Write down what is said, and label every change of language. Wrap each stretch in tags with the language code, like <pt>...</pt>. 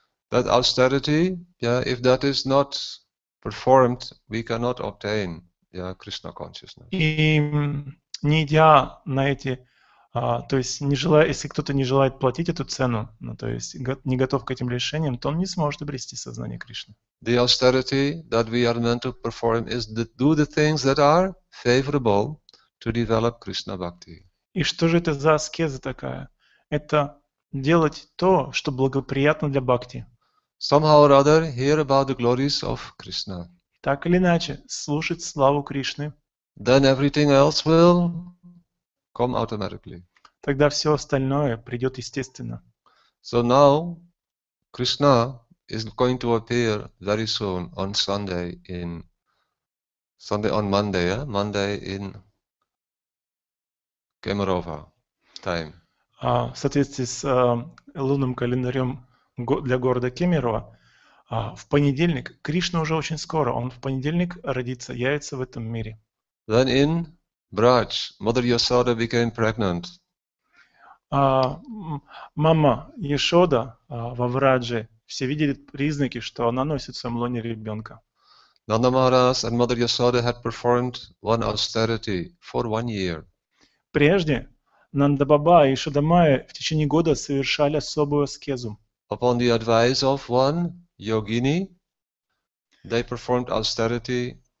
<en>That austerity, yeah, if that is not performed, we cannot obtain, yeah, Krishna consciousness.</en> <ru>И не идя на эти, то есть не желая, если кто-то не желает платить эту цену, ну, то есть не готов к этим лишениям, то он не сможет обрести сознание Кришны.</ru> <en>The austerity that we are meant to perform is to do the things that are favorable to develop Krishna bhakti.</en> <ru>И что же это за аскеза такая? Это делать то, что благоприятно для бхакти.</ru> <en>Somehow or other, hear about the glories of Krishna.</en> <ru>Так или иначе, слушать славу Кришны.</ru> <en>Then everything else will come automatically.</en> <ru>Тогда все остальное придет естественно.</ru> <en>So now Krishna is going to appear very soon on Sunday in Sunday on Monday, yeah? Monday in Kemerovo time.</en> <ru>В соответствии с лунным календарем для города Кемерово, в понедельник Кришна уже очень скоро, он в понедельник родится, явится в этом мире.</ru> <en>Then in Braj, Mother Yashoda became pregnant.</en> <ru>Мама Яшода во Врадже, все видели признаки, что она носит в своем лоне ребенка.</ru> <en>Nanda Maharaj and Mother Yashoda had performed one austerity for one year.</en> <ru>Прежде Нанда Баба и Яшода Майя в течение года совершали особую аскезу.</ru> <en>Upon the advice of one yogini, they performed austerity.</en>